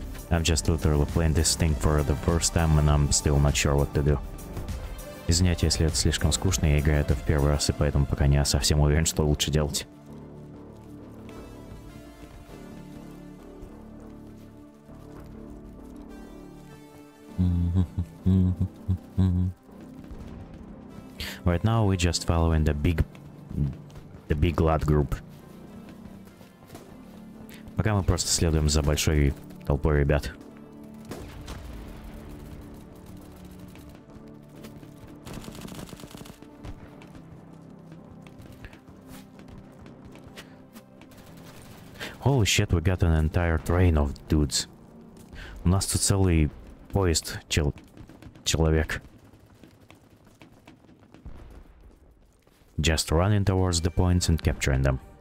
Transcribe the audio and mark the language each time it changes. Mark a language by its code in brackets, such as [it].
[en] I'm just literally playing this thing for the first time and I'm still not sure what to do. [ru] Извиняйте, если это слишком скучно, я играю это в первый раз, и поэтому пока не совсем уверен, что лучше делать. [en] Right now we're just following the big lad group. [ru] Пока мы просто следуем за большой толпой ребят. [en] Holy shit, we got an entire train of dudes. [ru] У нас тут целый поезд человек. [en] Just running towards the points and capturing them.